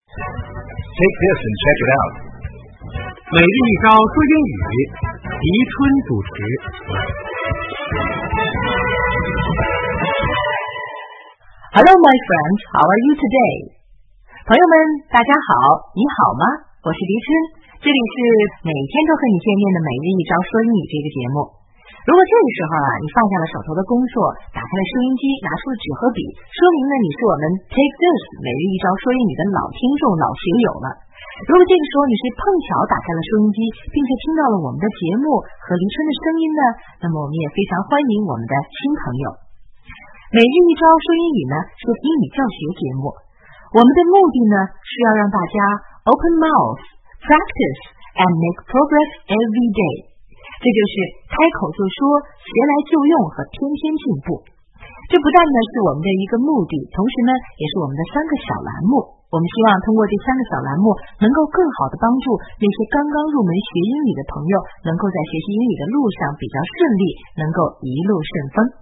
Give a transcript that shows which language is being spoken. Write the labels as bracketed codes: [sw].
[en] Take this and check it out. [zh] 每日一招说英语，迪春主持。 [en] Hello, my friends. How are you today? [zh] 朋友们，大家好，你好吗？我是迪春，这里是每天都和你见面的每日一招说英语这个节目。如果这个时候啊，你放下了手头的工作，打开了收音机，拿出了纸和笔，说明呢你是我们 Take This 每日一招说英语的老听众、老学友了。如果这个时候你是碰巧打开了收音机，并且听到了我们的节目和迪春的声音呢，那么我们也非常欢迎我们的新朋友。每日一招说英语呢，是英语教学节目。我们的目的呢，是要让大家 [en] open mouth, practice, and make progress every day。 [zh] 这就是开口就说，学来就用和天天进步。这不但呢是我们的一个目的，同时呢，也是我们的三个小栏目。我们希望通过这三个小栏目，能够更好的帮助那些刚刚入门学英语的朋友，能够在学习英语的路上比较顺利，能够一路顺风。